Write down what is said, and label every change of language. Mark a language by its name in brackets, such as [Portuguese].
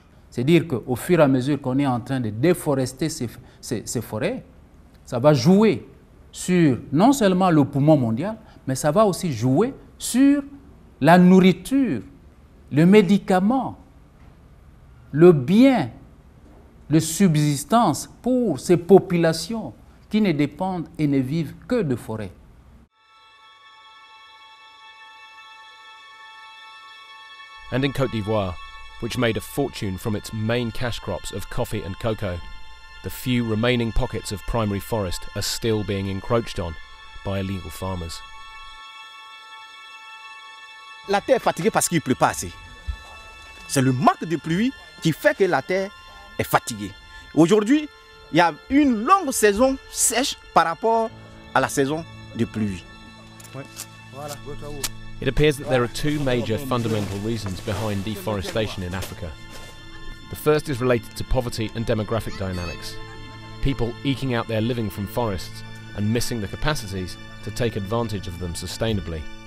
[French] C'est-à-dire qu'au fur et à mesure qu'on est en train de déforester ces forêts, ça va jouer sur non seulement le poumon mondial, mais ça va aussi jouer sur la nourriture, le médicament, le bien, de subsistance pour ces populations qui ne dépendent et ne vivent que de forêts. [English] And in Côte d'Ivoire, which made a fortune from its main cash crops of coffee and cocoa, the few remaining pockets of primary forest are still being encroached on by illegal farmers. [French] La terre est fatiguée parce qu'il pleut pas assez. C'est le manque de pluie qui fait que la terre est fatigué. Aujourd'hui, il y a une longue saison sèche par rapport à la saison de pluie. [English] It appears that there are two major fundamental reasons behind deforestation in Africa. The first is related to poverty and demographic dynamics. People eking out their living from forests and missing the capacities to take advantage of them sustainably.